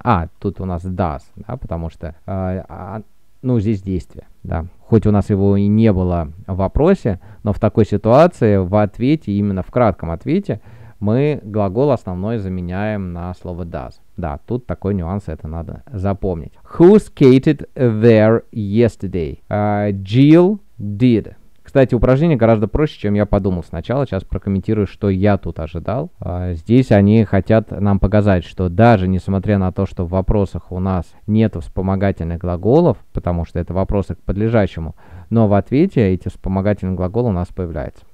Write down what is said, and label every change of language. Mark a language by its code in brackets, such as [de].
[ru] А, тут у нас does. Да, потому что... Ну, здесь действие, да. Хоть у нас его и не было в вопросе, но в такой ситуации, в ответе, именно в кратком ответе, мы глагол основной заменяем на слово does. Да, тут такой нюанс, это надо запомнить. [en] Who skated there yesterday? Jill did. [ru] Кстати, упражнение гораздо проще, чем я подумал сначала. Сейчас прокомментирую, что я тут ожидал. Здесь они хотят нам показать, что даже несмотря на то, что в вопросах у нас нет вспомогательных глаголов, потому что это вопросы к подлежащему, но в ответе эти вспомогательные глаголы у нас появляются.